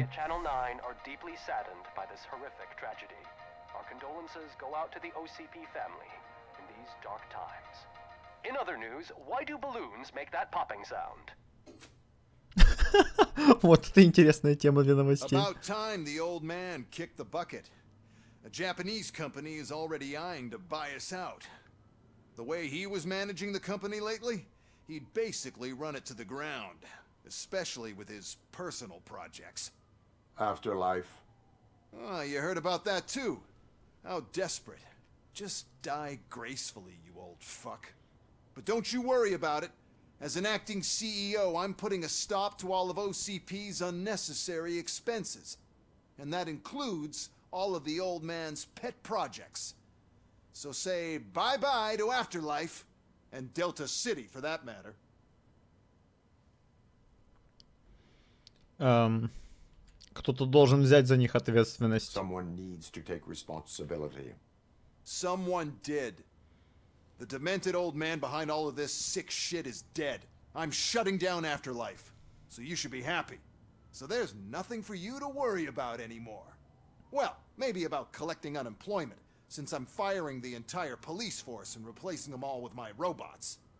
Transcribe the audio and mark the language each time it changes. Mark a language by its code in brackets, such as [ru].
[en] Channel 9 are deeply saddened by this horrific tragedy. Our condolences go out to the OCP family in these dark times. In other news, why do balloons make that popping sound? [ru] Вот это интересная тема для новостей. [en] About time the old man kicked the bucket. A Japanese company is already eyeing to buy us out. The way he was managing the company lately, he'd basically run it to the ground, especially with his personal projects. Afterlife. Ah, you heard about that too. How desperate. Just die gracefully, you old fuck. But don't you worry about it. As an acting CEO, I'm putting a stop to all of OCP's unnecessary expenses. And that includes all of the old man's pet projects. So say bye-bye to Afterlife and Delta City, for that matter. [ru] Кто-то должен взять за них ответственность. [en] Someone needs to take responsibility. Someone did. The demented old man behind all of this sick shit is dead. I'm shutting down Afterlife. So you should be happy. So there's nothing for you to worry about anymore. Well, maybe about collecting unemployment, since I'm firing the entire police force and replacing them all with my robots.